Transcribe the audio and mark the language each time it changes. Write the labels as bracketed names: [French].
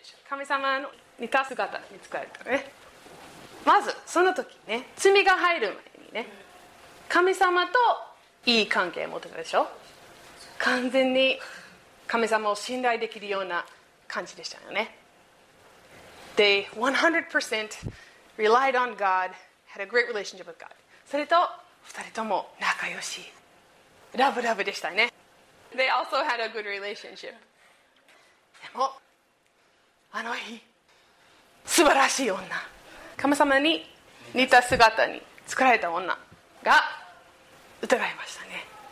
[Japanese] 神様の似た姿に作られたね。まず、その時ね、罪が入る前にね、神様といい関係を持ってたでしょ。完全に神様を信頼できるような感じでしたよね。 [English] They 100% relied on God, had a great relationship with God. [Japanese] それと、二人とも仲良し。ラブラブでしたね。 [English] They also had a good relationship. [Japanese] でもあの日素晴らしい女神様に似た姿に作られた女が疑いましたね。